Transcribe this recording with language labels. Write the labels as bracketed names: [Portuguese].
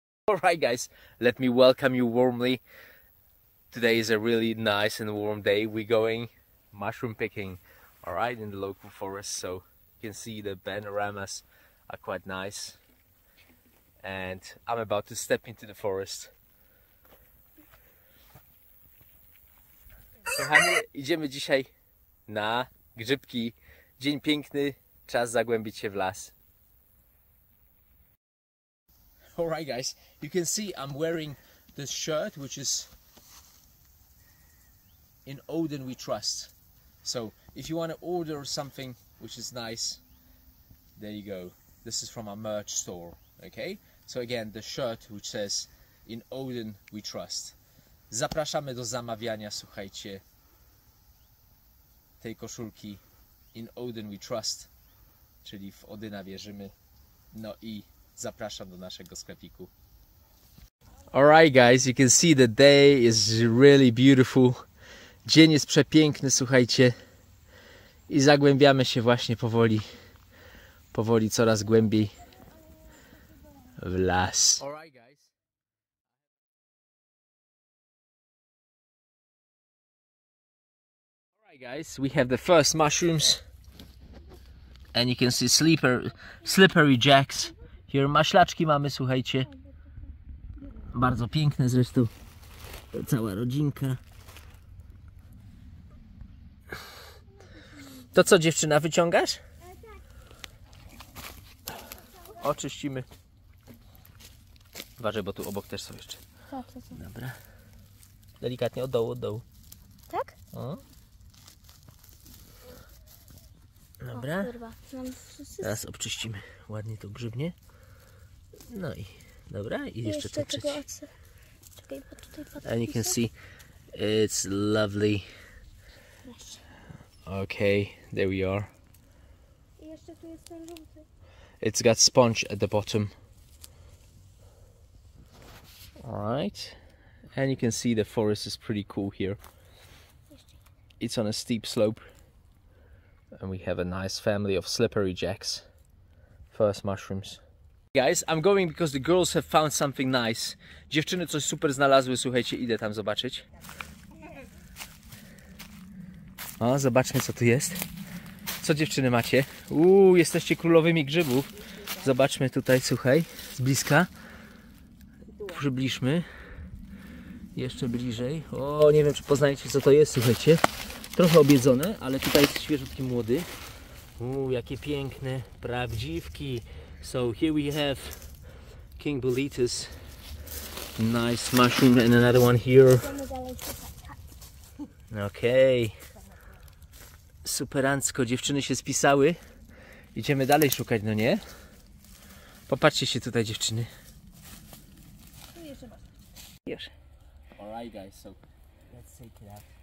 [English] Alright guys, let me welcome you warmly. Today is a really nice and warm day. We're going mushroom picking, alright, in the local forest. So you can see the panoramas are quite nice. And I'm about to step into the forest. [Polish] Kochani, idziemy dzisiaj na grzybki. Dzień piękny, czas zagłębić się w las. [English] Alright guys, you can see I'm wearing this shirt, which is in Odin we trust. So if you want to order something which is nice, there you go. This is from our merch store, okay? So again, the shirt which says in Odin we trust. [Polish] Zapraszamy do zamawiania, słuchajcie, tej koszulki [English] in Odin we trust, [Polish] czyli w Odyna wierzymy. No i zapraszam do naszego sklepiku. [English] Alright guys, you can see the day is really beautiful. [Polish] Dzień jest przepiękny, słuchajcie. I zagłębiamy się właśnie powoli coraz głębiej w las. [English] Alright guys. Alright guys, we have the first mushrooms. And you can see slippery jacks. [Polish] Here maślaczki mamy, słuchajcie. Bardzo piękne zresztą. Cała rodzinka. To co, dziewczyna, wyciągasz? Oczyścimy. Uważaj, bo tu obok też są jeszcze. Dobra. Delikatnie od dołu, od dołu. Tak? O. Dobra. Teraz obczyścimy ładnie tą grzybnię. No i dobra, i jeszcze to trzecie. Czekaj, bo tutaj patrzę. [English] And you can see it's lovely. Okay, there we are. [Polish] I jeszcze tu jest ten żółty. [English] It's got sponge at the bottom. Alright. And you can see the forest is pretty cool here. It's on a steep slope. And we have a nice family of slippery jacks. First mushrooms. Guys, I'm going because the girls have found something nice. [Polish] Dziewczyny coś super znalazły, słuchajcie, idę tam zobaczyć. O, zobaczmy co tu jest. Co dziewczyny macie? Uuu, jesteście królowymi grzybów. Zobaczmy tutaj, słuchaj, z bliska. Przybliżmy. Jeszcze bliżej. O, nie wiem czy poznajecie co to jest, słuchajcie. Trochę obiedzone, ale tutaj jest świeżutki młody. Uuu, jakie piękne, prawdziwki. [English] So here we have King Boletus, nice mushroom, and another one here. Okay. [Polish] Superancko, dziewczyny się spisały. Idziemy dalej szukać, no nie? Popatrzcie się tutaj, dziewczyny. Już. [English] Alright guys, so let's take it out.